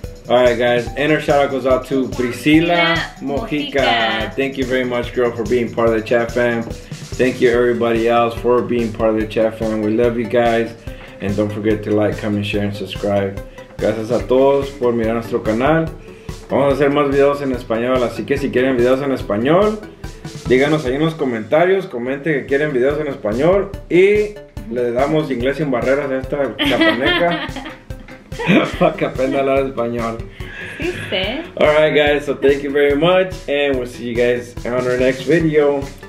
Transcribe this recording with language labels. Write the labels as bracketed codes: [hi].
[en] Alright guys, and our shout out goes out to Priscila Mojica. Thank you very much, girl, for being part of the chat fam. Thank you everybody else for being part of the chat fam. We love you guys, and don't forget to like, comment, share, and subscribe. [es] Gracias a todos por mirar nuestro canal. Vamos a hacer más videos en español, así que si quieren videos en español, díganos ahí en los comentarios, comenten que quieren videos en español y le damos inglés sin barreras a esta chapaneca para que aprenda a hablar español. ¿Viste? [en] All right, guys, so thank you very much and we'll see you guys on our next video.